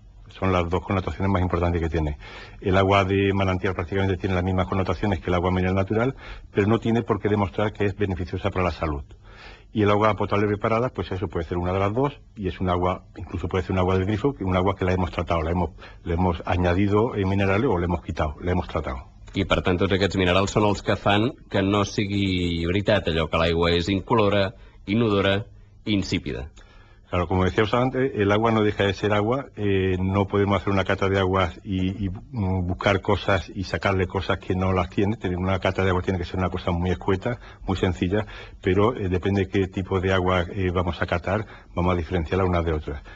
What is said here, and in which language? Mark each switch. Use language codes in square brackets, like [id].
[es] Son las 2 connotaciones más importantes que tiene. El agua de manantial prácticamente tiene las mismas connotaciones que el agua mineral natural, pero no tiene por qué demostrar que es beneficiosa para la salud. Y el agua potable preparada, pues eso puede ser una de las 2, y es un agua, incluso puede ser un agua del grifo, un agua que la hemos tratado, le hemos añadido minerales o le hemos quitado, le hemos tratado. [ca] I per tant, tots aquests minerals són els que fan que no sigui veritat allò, que l'aigua és incolora, inodora, insípida. [es] Claro, como decíamos antes, el agua no deja de ser agua, no podemos hacer una cata de aguas y buscar cosas y sacarle cosas que no las tiene. Tener una cata de agua tiene que ser una cosa muy escueta, muy sencilla, pero depende de qué tipo de agua vamos a catar, vamos a diferenciarla una de otra.